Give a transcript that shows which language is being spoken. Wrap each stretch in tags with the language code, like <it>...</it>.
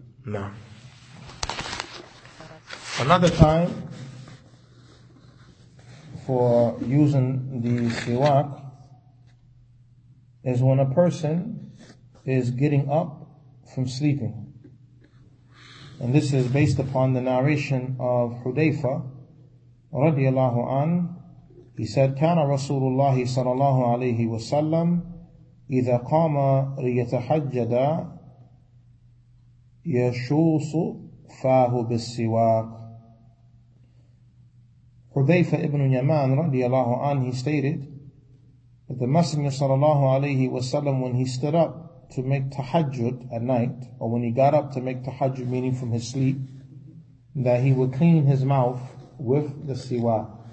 <en>Now, another time for using the siwak is when a person is getting up from sleeping. And this is based upon the narration of Hudayfa radiallahu an. He said,</en> <ar>كان رسول الله صلى الله عليه وسلم إذا قام ليتحجد يشوص فاه بالسواك.</ar> <en>Hudayfa ibn Yaman radiallahu an, he stated that the Messenger صلى الله عليه وسلم, when he stood up to make tahajjud at night, or when he got up to make tahajjud, meaning from his sleep, that he would clean his mouth with the siwa.</en>